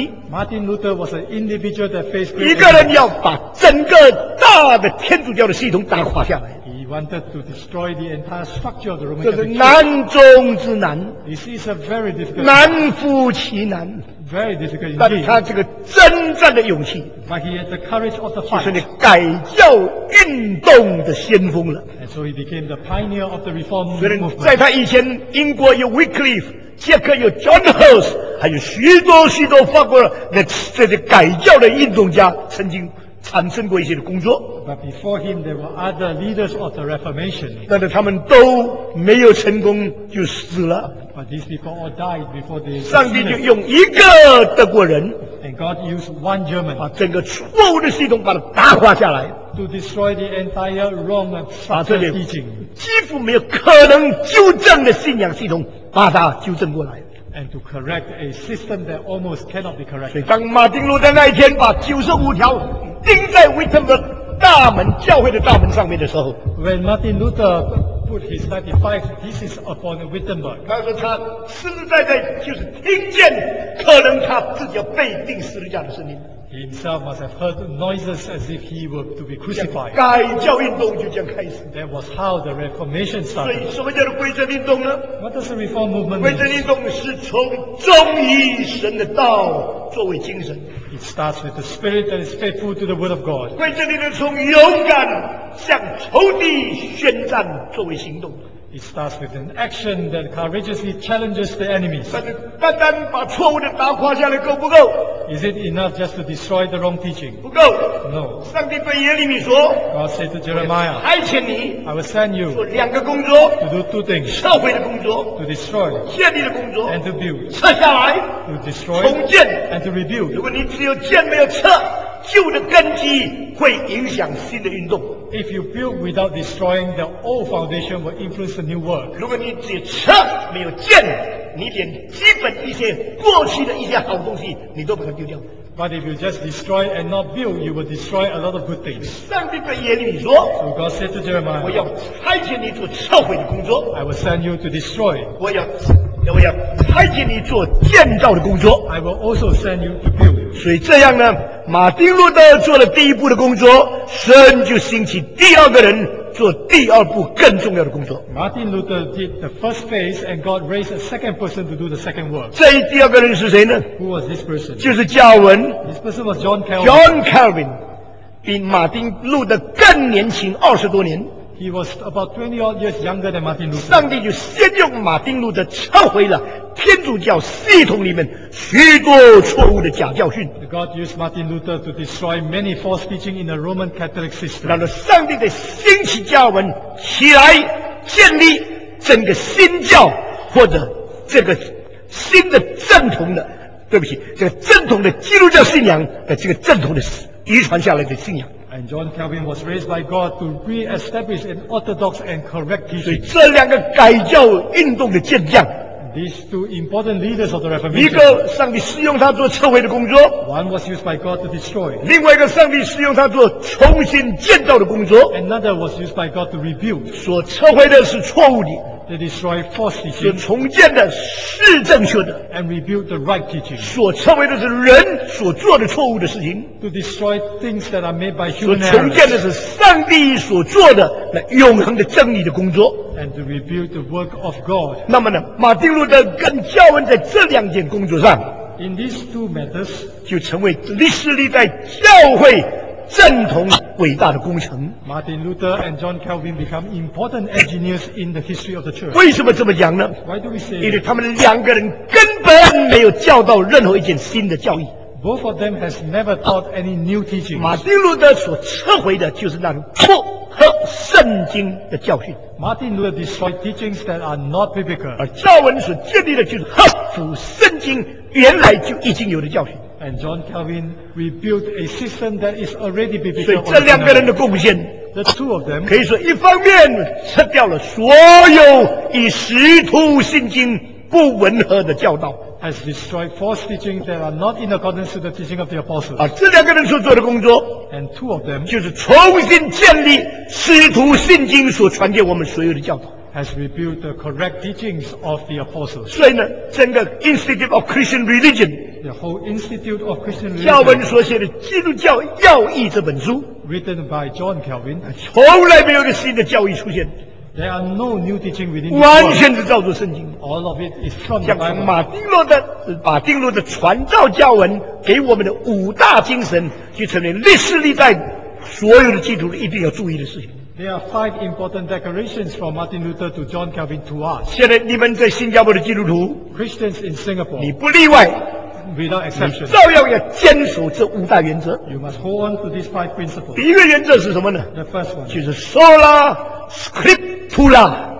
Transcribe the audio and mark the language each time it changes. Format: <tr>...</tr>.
<en>Martin Luther was an individual that faced great</en> <zh>一个人要把整个大的天主教的系统打垮下来。</zh> <en>Wanted to destroy the entire structure of the Roman Church.</en> <zh>这是难中之难。</zh> <en>This is a very difficult.</en> <zh>难乎其难。</zh> <en>Very difficult.</en> <zh>但他这个征战的勇气。</zh> <en>But he had the courage of the fight.</en> <zh>就是你改教运动的先锋了。</zh> <en>And so he became the pioneer of the reform movement.</en> <zh>虽然在他以前，英国有 Wycliffe， 捷克有 John Huss， 还有许多许多法国的这些改教的运动家曾经。产生过一些的工作</zh> <en>，But before him there were other leaders of the Reformation.</en> <zh>但是他们都没有成功，就死了。</zh> <en>But these people all died before they.</en> <zh>上帝就用一个德国人</zh> <en>，And God used one German.</en> <zh>把整个错误的系统把它打垮下来</zh> <en>，To destroy the entire wrong structure of teaching.</en> <zh>几乎没有可能纠正的信仰系统，把它纠正过来。</zh> <en>And to correct a system that almost cannot be corrected.</en> <zh>所以当马丁路德那一天把95条。钉在 Wittenberg 大门教会的大门上面的时候</zh> <en>，When Martin Luther put his 95, this is upon Wittenberg.</en> <zh>他说他实实在在就是听见，可能他自己要被钉十字架的声音。</zh> <en>He himself must have heard noises as if he were to be crucified.</en> <zh>改教运动就这样开始。</zh> <en>That was how the Reformation started.</en> <zh>所以什么叫做归正运动呢？</zh> <en>What does the Reform movement mean?</en> <zh>归正运动是从忠于神的道作为精神。</zh> <en>It starts with the spirit that is faithful to the word of God.</en> <zh>归正运动从勇敢向仇敌宣战作为行动。</zh> <en>It starts with an action that courageously challenges the enemies.</en> <zh>单单把错误的打垮下来够不够？</zh> <en>Is it enough just to destroy the wrong teaching?</en> <zh>不够。</zh> <en>No.</en> <zh>上帝对耶利米说，</zh> <en>God said to Jeremiah,</en> <zh>我差遣你，</zh> <en>I will send you</en> <zh>做两个工作，</zh> <en>to do two things,</en> <zh>烧毁的工作，</zh> <en>to destroy,</en> <zh>建立的工作，</zh> <en>and to build,</en> <zh>撤下来，</zh> <en>to destroy,</en> <zh>重建，</zh> <en>and to rebuild.</en> <zh>如果你只有建没有撤，旧的根基会影响新的运动。</zh> <en>If you build without destroying, the old foundation will influence the new work.</en> <zh>如果你只撤没有建，你连基本一些过去的一些好东西你都把它丢掉。</zh> <en>But if you just destroy and not build, you will destroy a lot of good things.</en> <zh>上帝对耶利米说，</zh> <en>So God said to Jeremiah,</en> <zh>我要差遣你做撤毁的工作。</zh> <en>I will send you to destroy.</en> <zh>我要差遣你做建造的工作。</zh> <en>I will also send you to build.</en> <zh>所以这样呢，马丁路德做了第一步的工作，神就兴起第二个人做第二步更重要的工作。</zh> <en>Martin Luther did the first phase, and God raised a second person to do the second work.</en> <zh>这第二个人是谁呢？</zh> <en>Who was this person?</en> <zh>就是加文。</zh> <en>This person was John Calvin.</en> <zh>John Calvin 比马丁路德更年轻二十多年。</zh> <en>He was about 20 odd years younger than Martin Luther.</en> <zh>上帝就先用马丁路德撤回了天主教系统里面许多错误的假教训。</zh> <en>God used Martin Luther to destroy many false teaching in the Roman Catholic system.</en> <zh>然后上帝的兴起加文起来建立整个新教，或者这个新的正统的，对不起，这个正统的基督教信仰的这个正统的遗传下来的信仰。</zh> <en>And John Calvin was raised by God to re-establish an orthodox and correct teaching.</en> <zh>所以这两个改教运动的健将。</zh> <en>These two important leaders of the Reformation.</en> <zh>一个上帝使用他做撤毁的工作。</zh> <en>One was used by God to destroy.</en> <zh>另外一个上帝使用他做重新建造的工作。</zh> <en>Another was used by God to rebuild.</en> <zh>所撤毁的是错误的。</zh> <en>To destroy false teaching.</en> <zh>所重建的是正确的。</zh> <en>And rebuild the right teaching.</en> <zh>所撤毁的是人所做的错误的事情。</zh> <en>To destroy things that are made by human.</en> <zh>所重建的是上帝所做的那永恒的真理的工作。</zh> <en>And to rebuild the work of God.</en> <zh>那么呢，马丁路德跟加文在这两件工作上，</zh> <en>In these two methods,</en> <zh>就成为历史历代教会正统伟大的工程。</zh> <en>Martin Luther and John Calvin become important engineers in the history of the church.</en> <zh>为什么这么讲呢？</zh> <en>Why do we say?</en> <zh>因为他们两个人根本没有教导任何一件新的教义。</zh> <en>Both of them has never taught any new teachings.</en> <zh>马丁路德所撤回的就是那种错和圣经的教训。</zh> <en>Martin Luther destroyed teachings that are not biblical.</en> <zh>而加文所建立的就是合乎圣经原来就已经有的教训。</zh> <en>And John Calvin rebuilt a system that is already biblical.</en> <zh>所以这两个人的贡献，</zh> <en>the two of them,</en> <zh>可以说一方面撤掉了所有与使徒信经不吻合的教导。</zh> <en>Has destroyed false teachings that are not in accordance with the teaching of the apostles.</en> <zh>这两个人所做的工作，</zh> <en>and two of them,</en> <zh>就是重新建立使徒信经所传给我们所有的教导。</zh> <en>Has rebuilt the correct teachings of the apostles.</en> <zh>所以呢，整个 Institute of Christian Religion,</zh> <en>the whole Institute of Christian Religion,</en> <zh>教文所写的《基督教要义》这本书，</zh> <en>written by John Calvin,</en> <zh>从来没有一个新的教义出现。</zh> <en>There are no new teaching within the Bible.</en> <zh>完全是照着圣经。</zh> <en>All of it is from the Bible.</en> <zh>像马丁路德传道教文给我们的五大精神，就成为历史历代所有的基督徒一定要注意的事情。</zh> <en>There are five important declarations from Martin Luther to John Calvin to us.</en> <zh>现在你们在新加坡的基督徒，</zh> <en>Christians in Singapore,</en> <zh>你不例外。</zh> <en>Without exception,</en> <zh>你照样要坚守这五大原则。</zh> <en>You must hold on to these five principles.</en> <zh>第一个原则是什么呢？</zh> <en>The first one,</en> <zh>就是 sola scriptura.</zh>